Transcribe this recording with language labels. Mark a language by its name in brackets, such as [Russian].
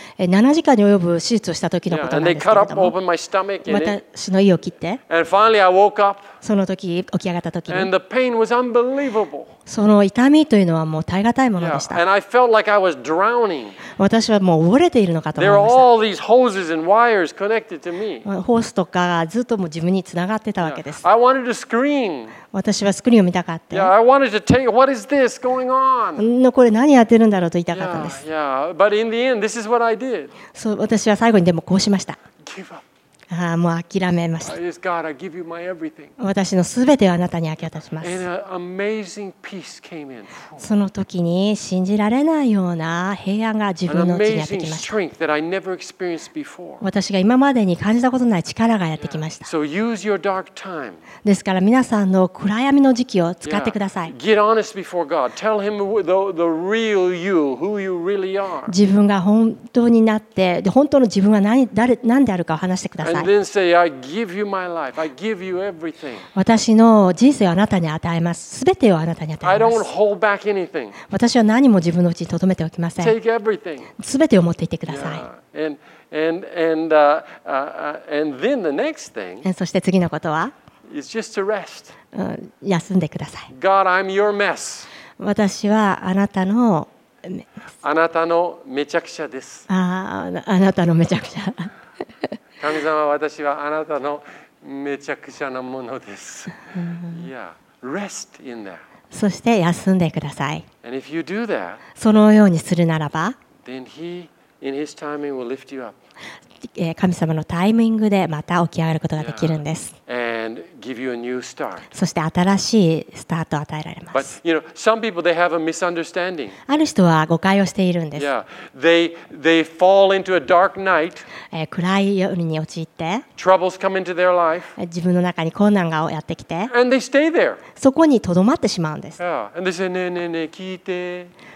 [Japanese] 7時間に及ぶ手術をした時のことなんですけれども、また私の胃を切って、 [English] and finally I woke up. [Japanese] その時起き上がった時に、 [English] and the pain was unbelievable. [Japanese] その痛みというのはもう耐え難いものでした。 [English] And I felt like I was drowning. [Japanese] 私はもう溺れているのかと思いました。 [English] There are all these hoses and wires connected to me. [Japanese] ホースとかがずっともう自分につながってたわけです。 [English] I wanted to scream. [Japanese] 私はスクリーンを見たかった。 [English] Yeah, I wanted to take. What is this going on? [Japanese] これ何やってるんだろうと言いたかったんです。 [English] Yeah, yeah. But in the end, this is what I did. [Japanese] そう、私は最後にでもこうしました。 [English] Give up. [Japanese] ああ、もう諦めました。 [English] Yes, God, I give you my everything. [Japanese] 私のすべてをあなたに明け渡します。 [English] And an amazing peace came in. [Japanese] その時に信じられないような平安が自分のうちにやってきました。 [English] An amazing strength that I never experienced before. [Japanese] 私が今までに感じたことない力がやってきました。 [English] So use your dark time. [Japanese] ですから皆さんの暗闇の時期を使ってください。 [English] Get honest before God. Tell him the real you, who you really are. [Japanese] 自分が本当になって、で本当の自分は何であるかを話してください。 [English] And then say, I give you my life. I give you everything. [Japanese] 私の人生をあなたに与えます。すべてをあなたに与えます。 [English] I don't hold back anything. [Japanese] 私は何も自分のうちに留めておきません。 [English] Take everything. [Japanese] すべてを持っていってください。 [English] And then the next thing. [Japanese] そして次のことは。 [English] Is just to rest. [Japanese] 休んでください。 [English] God, I'm your mess. [Japanese] 私はあなたの。あなたのめちゃくちゃです。あなたのめちゃくちゃ。神様、私はあなたのめちゃくちゃなものです。 [English] Yeah, rest in there. [Japanese] そして休んでください。 [English] And if you do that, [Japanese] そのようにするならば、 [English] then he, in his timing, will lift you up. [Japanese] 神様のタイミングでまた起き上がることができるんです。 [English] And give you a new start. [Japanese] そして新しいスタートを与えられます。 [English] But, you know, some people, they have a misunderstanding. [Japanese] ある人は誤解をしているんです。 [English] Yeah. They fall into a dark night. [Japanese] 暗い夜に陥って、 [English] Troubles come into their life. [Japanese] 自分の中に困難がやってきて、 [English] And they stay there. [Japanese] そこにとどまってしまうんです。 [English] Yeah. And they say, [Japanese] ねえねえねえ、聞いて。